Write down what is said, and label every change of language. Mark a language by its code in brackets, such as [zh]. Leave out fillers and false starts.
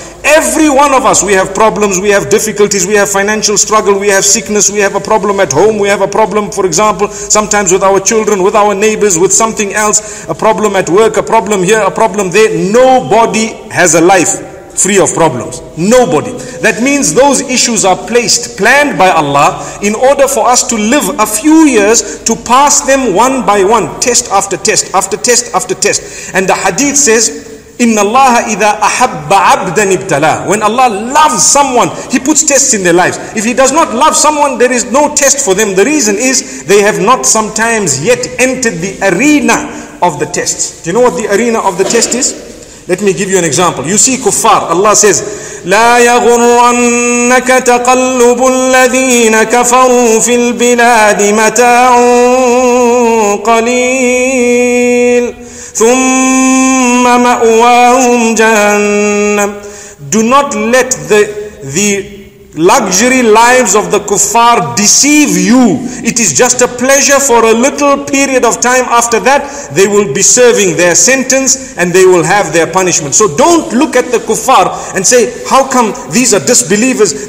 [en] Every one of us, we have problems, we have difficulties, we have financial struggle, we have sickness, we have a problem at home, we have a problem, for example, sometimes with our children, with our neighbors, with something else, a problem at work, a problem here, a problem there. Nobody has a life free of problems. Nobody. That means those issues are placed, planned by Allah, in order for us to live a few years to pass them one by one, test after test, after test after test. And the hadith says, [ar] إِنَّ اللَّهَ إِذَا أَحَبَّ عَبْدًا ابْتَلَى. [en] When Allah loves someone, He puts tests in their lives. If He does not love someone, there is no test for them. The reason is, they have not sometimes yet entered the arena of the tests. Do you know what the arena of the test is? Let me give you an example. You see kuffar, Allah says, [ar] لَا يَغُرَّنَّكَ تَقَلُّبُ الَّذِينَ كَفَرُوا فِي الْبِلَادِ مَتَاعٌ قَلِيلٌ ثُمَّ مَأْوَاهُمْ جَهَنَّمُ. [en] Do not let the luxury lives of the kuffar deceive you. It is just a pleasure for a little period of time. After that, they will be serving their sentence and they will have their punishment. So don't look at the kuffar and say, how come these are disbelievers?